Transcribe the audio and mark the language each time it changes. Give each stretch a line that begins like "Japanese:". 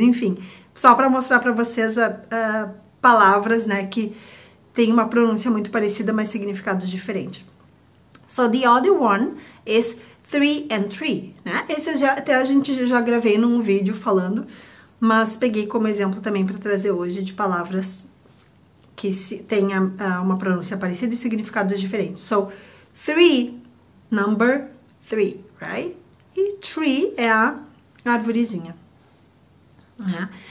Portuguese: Enfim, só para mostrar para vocês a palavras, né, que tem uma pronúncia muito parecida, mas significado diferente.
English: So the other one is three and three,
Portuguese: né? Esse já, até a gente já gravei num vídeo falando, mas peguei como exemplo também para trazer hoje de palavras que tenha uma pronúncia parecida e significados diferentes.
English: So, three, number three, right?
Portuguese: E tree é a arvorezinha, né?